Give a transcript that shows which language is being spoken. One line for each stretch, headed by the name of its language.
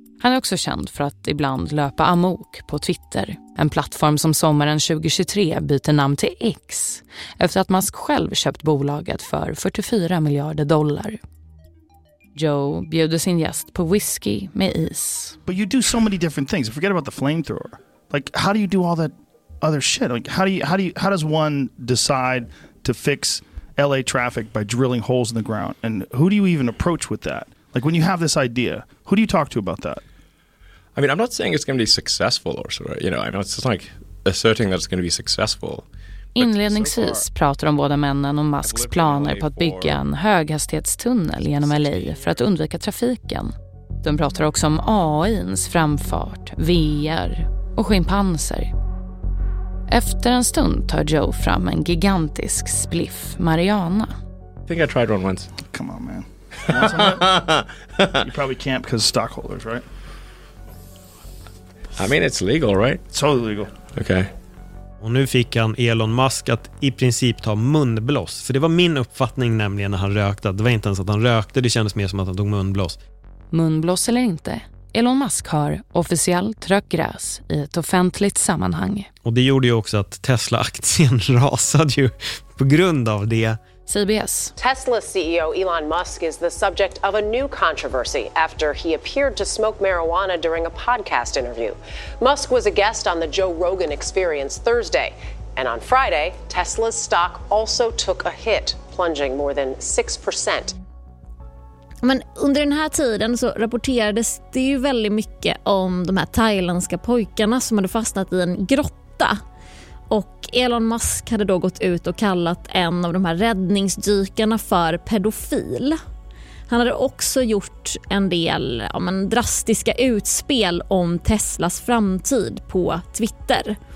Swedish: Han är också känd för att ibland löpa amok på Twitter. En plattform som sommaren 2023 byter namn till X efter att Musk själv köpt bolaget för $44 miljarder. Joe bjuder sin gäst på whisky med is.
English: But you do so many different things. Forget about the flamethrower. Like, how do you do all that other shit? Like, how does one decide to fix LA traffic by drilling holes in the ground? And who do you even approach with that? Like, when you have this idea, who do you talk to about that? I mean, I'm not saying it's going to be successful or sort of, you know, I mean, it's just like asserting that it's going to be successful.
Swedish: Inledningsvis
English: so far,
Swedish: pratar de båda männen om Musks planer på att bygga en höghastighetstunnel genom LA för att undvika trafiken. De pratar också om AI:s framfart, VR och schimpanser. Efter en stund tar Joe fram en gigantisk spliff Mariana.
English: I think I tried one once. Come on, man. You probably can't because of stockholders, right? I mean, it's legal, right? Totally legal. Okay.
Swedish: Och nu fick han Elon Musk att i princip ta munblås. För det var min uppfattning nämligen när han rökte. Det var inte ens att han rökte, det kändes mer som att han tog munblås. Munblås eller inte? Elon Musk har officiellt rökt gräs i ett offentligt sammanhang. Och det gjorde ju också att Tesla-aktien rasade ju på grund av det. CBS.
English: Tesla CEO Elon Musk is the subject of a new controversy after he appeared to smoke marijuana during a podcast interview. Musk was a guest on the Joe Rogan Experience Thursday. And on Friday, Teslas stock also took a hit, plunging more than 6%.
Swedish: Men under den här tiden så rapporterades det ju väldigt mycket om de här thailändska pojkarna som hade fastnat i en grotta. Och Elon Musk hade då gått ut och kallat en av de här räddningsdykarna för pedofil. Han hade också gjort en del drastiska utspel om Teslas framtid på Twitter.